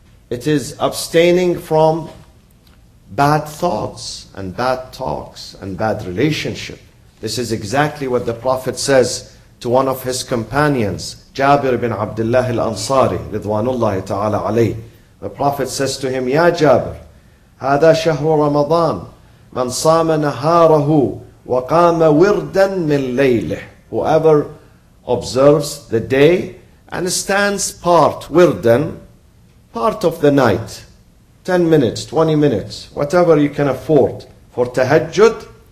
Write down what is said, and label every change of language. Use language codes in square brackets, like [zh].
[en] It is abstaining from bad thoughts and bad talks and bad relationship. This is exactly what the Prophet says to one of his companions, Jabir ibn Abdullah al-Ansari, Ridwanullah ta'ala alayh. The Prophet says to him, [ar] Ya Jabir, هذا شهر رمضان من صام نهاره وقام وردا من ليله. [en] Whoever observes the day and stands part, wirdan, part of the night, 10 minutes, 20 minutes, whatever you can afford for tahajjud,